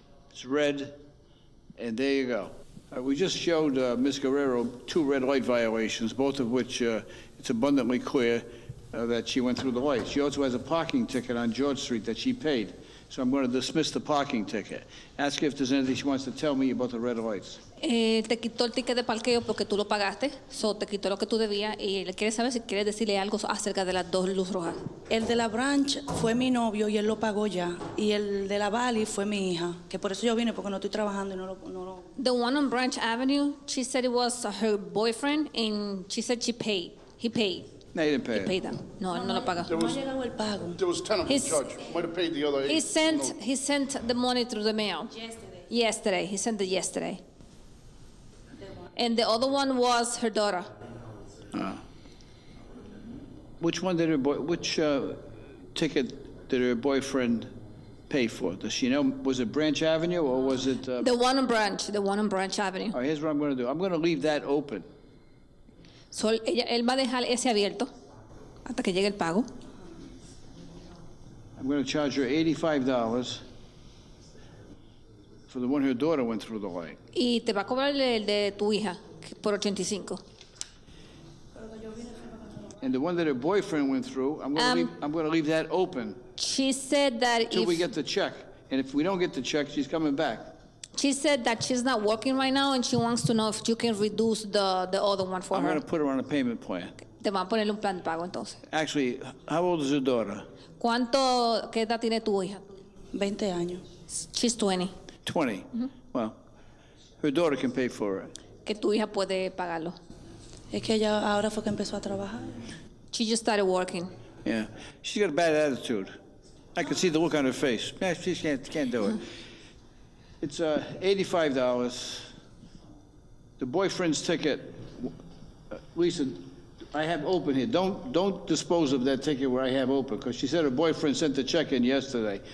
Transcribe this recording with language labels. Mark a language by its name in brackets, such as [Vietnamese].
[English] It's red, and there you go. We just showed Ms. Guerrero two red light violations, both of which it's abundantly clear that she went through the light. She also has a parking ticket on George Street that she paid. So I'm going to dismiss the parking ticket. Ask her if there's anything she wants to tell me about the red lights. [Spanish] Te quitó el ticket de parqueo porque tú lo pagaste. So te quitó lo que tú debías. Y él quiere saber si quieres decirle algo acerca de las dos luces rojas. El de la branch fue mi novio y él lo pagó ya. Y el de la valley fue mi hija. Que por eso yo vine, porque no estoy trabajando y no lo... [English] The one on Branch Avenue, she said it was her boyfriend and she said she paid. He paid. No, he didn't pay. He paid them. [Spanish] No, no lo pagó. [English] There was 10 of them, Judge. Might have paid the other 8. He sent the money through the mail. Yesterday. He sent it yesterday. And the other one was her daughter. Which one did her boy? Which ticket did her boyfriend pay for? Does she know? Was it Branch Avenue or was it? The one on Branch. The one on Branch Avenue. All right. Here's what I'm going to do. I'm going to leave that open. [Spanish] So él va a dejar ese abierto hasta que llegue el pago. [English] I'm going to charge her $85 for the one her daughter went through the light. [Spanish] Y te va a cobrar el de tu hija por 85. [English] And the one that her boyfriend went through, I'm going to leave that open. She said that until we get the check, and if we don't get the check, she's coming back. She said that she's not working right now, and she wants to know if you can reduce the other one for I'm her. I'm going to put her on a payment plan. [Spanish] Te van a poner un plan de pago entonces. [English] Actually, how old is your daughter? [Spanish] ¿Cuánto qué edad tiene tu hija? 20 años. [English] She's 20. 20. Mm-hmm. Well, her daughter can pay for it. [Spanish] Que tu hija puede pagarlo. Es que ella ahora fue que empezó a trabajar. [English] She just started working. Yeah, she's got a bad attitude. I can see the look on her face. Yeah, she can't do it. It's $85. The boyfriend's ticket, Lisa, I have open here. Don't dispose of that ticket where I have open, because she said her boyfriend sent the check in yesterday.